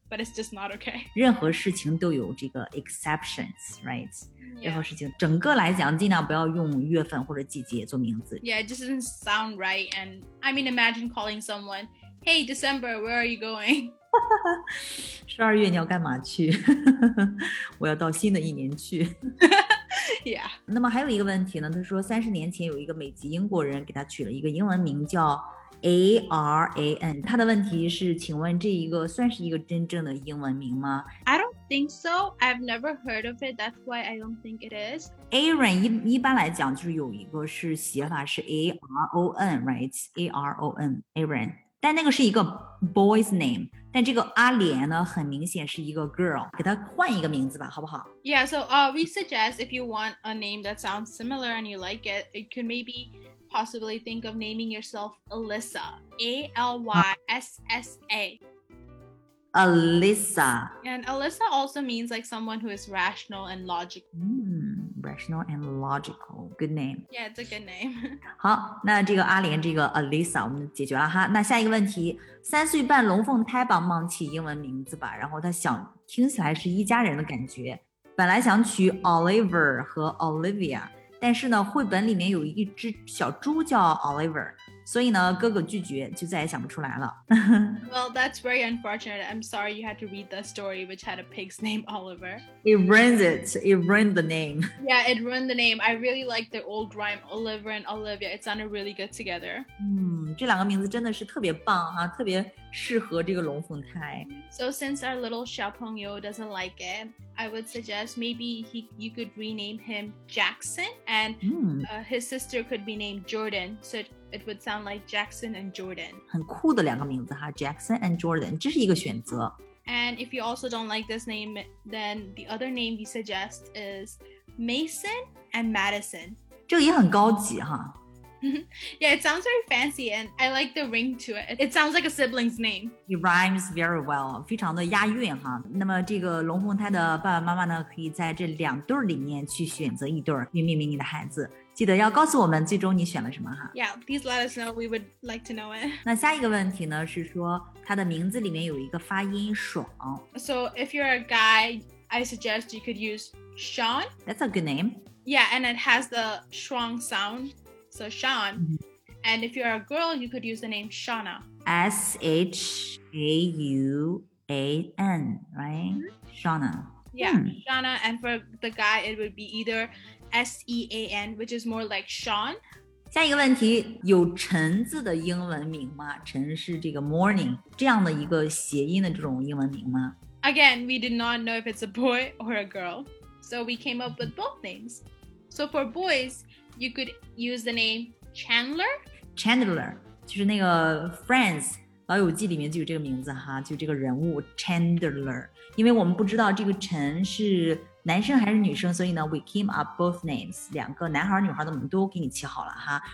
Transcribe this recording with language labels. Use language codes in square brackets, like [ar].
[en] But it's just not okay. [zh] 任何事情都有这个 [en] exceptions, right? Yeah. [zh] 任何事情整个来讲尽量不要用月份或者季节做名字。 [en] Yeah, it just doesn't sound right. And I mean, imagine calling someone, hey, December, where are you going? [zh] 12月你要干嘛去？我要到新的一年去。 [en] Yeah. [zh] 那么还有一个问题呢，他说30年前有一个美籍英国人给他取了一个英文名叫A-R-A-N. 他的问题是请问这一个算是一个真正的英文名吗？ [en] I don't think so. I've never heard of it. That's why I don't think it is. [zh] Aaron 一般来讲就是有一个是写法是 A-R-O-N, [en] right? [zh] A-R-O-N, Aaron. 但那个是一个 [en] boy's name. [zh] 但这个阿莲呢很明显是一个 [en] girl. [zh] 给他换一个名字吧，好不好？ [en] Yeah, so we suggest if you want a name that sounds similar and you like it, it could maybe... possibly think of naming yourself Alyssa. A-L-Y-S-S-A. Alyssa. And Alyssa also means like someone who is rational and logical. Rational and logical. Good name. Yeah, it's a good name. [zh] 好，那这个阿莲，这个 Alyssa 我们解决了哈。那下一个问题，三岁半龙凤胎帮忙起英文名字吧，然后他想听起来是一家人的感觉，本来想取 Oliver 和 Olivia。但是呢绘本里面有一只小猪叫 Oliver, 所以呢哥哥拒绝就再也想不出来了。 [en] Well, that's very unfortunate. I'm sorry you had to read the story which had a pig's name Oliver. It ruined the name. Yeah, it ruined the name. I really like the old rhyme Oliver and Olivia. It sounded really good together. [zh] 这两个名字真的是特别棒啊，特别适合这个龙凤胎。 [en] So since our little [zh] 小朋友 [en] doesn't like it,I would suggest maybe you could rename him Jackson and his sister could be named Jordan. So it would sound like Jackson and Jordan. [zh] 很酷的两个名字哈 Jackson and Jordan, 这是一个选择。 [en] And if you also don't like this name, then the other name we suggest is Mason and Madison. [zh] 这个也很高级哈。 [en] Yeah, it sounds very fancy and I like the ring to it. It sounds like a sibling's name. It rhymes very well, [zh] 非常的押韵哈。那么这个龙凤胎的爸爸妈妈呢，可以在这两对里面去选择一对去命名你的孩子。记得要告诉我们最终你选了什么哈。 [en] Yeah, please let us know. We would like to know it. [zh] 那下一个问题呢，是说他的名字里面有一个发音爽。 [en] So if you're a guy, I suggest you could use Sean. That's a good name. Yeah, and it has the strong sound. So Sean, and if you're a girl, you could use the name Shauna. S-H-A-U-A-N, right? Shauna. Yeah, Shauna, and for the guy, it would be either S-E-A-N, which is more like Sean. [zh] 下一个问题，有晨字的英文名吗？晨是这个 morning, 这样的一个谐音的这种英文名吗？ [en] Again, we did not know if it's a boy or a girl, so we came up with both names. So for boys... You could use the name Chandler. [zh] Chandler, 就是那个 Friends 老友记里面就有这个名字哈，就这个人物 Chandler. 因为我们不知道这个陈是男生还是女生，所以呢 [en] we came up both names. [zh] 两个男孩女孩的我们都给你起好了哈。